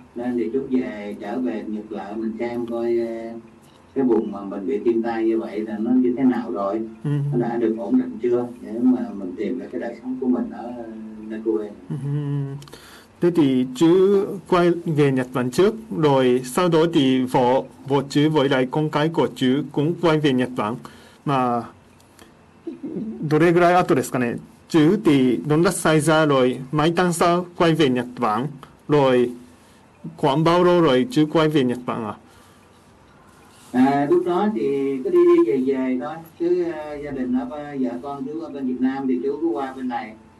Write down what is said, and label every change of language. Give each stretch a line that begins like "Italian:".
Vietnamese: Nên thì chú về trở về Nhật là mình xem coi cái vùng mà mình bị thiên tai như vậy là nó như thế nào rồi. Nó đã được ổn định chưa, để mà mình tìm được cái đời sống của mình ở nơi quê. Thế thì chú quay về Nhật Bản trước, rồi sau đó thì vợ chú với lại con cái của chú cũng quay về Nhật Bản.
Japanese: Mà どれぐらい後ですかね?
Vietnamese: Chú thì đúng là xảy ra rồi, mấy tháng sau quay về Nhật Bản, rồi khoảng bao lâu rồi chú quay về Nhật Bản à? À, lúc đó thì cứ đi đi về về thôi, chứ gia đình ở vợ con chú ở bên Việt Nam thì chú cứ qua bên này.